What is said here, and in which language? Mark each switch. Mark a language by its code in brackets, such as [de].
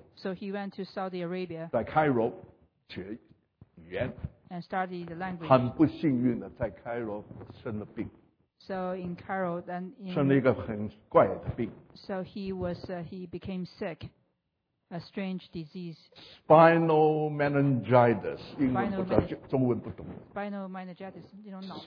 [en] So he went to Saudi Arabia. [zh] 在 Cairo 学语言。 [en] And studied the language. [zh] 很不幸运的，在 Cairo 生了病。 [en] So in Cairo, then in [zh] 生了一个很怪的病。 [en] So he was he became sick, a strange disease. [zh] Spinal meningitis. 英文不知道，中文不懂。 [en] Spinal meningitis, you know.